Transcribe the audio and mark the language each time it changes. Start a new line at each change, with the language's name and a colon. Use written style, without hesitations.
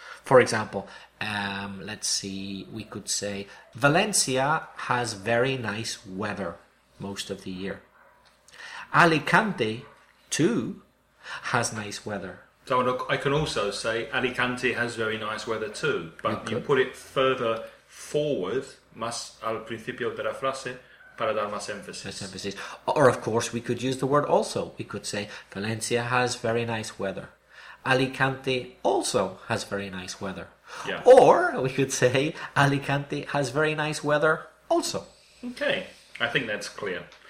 English: For example, let's see, we could say Valencia has very nice weather most of the year. Alicante, too, has nice weather. So I can also say Alicante has very nice weather, too. But you put it further forward,
Spanish: más al principio de la frase, para dar más énfasis.
English: Or, of course, we could use the word also. We could say Valencia has very nice weather. Alicante also has very nice weather. Yeah. Or we could say Alicante has very nice weather also. Okay, I think that's clear.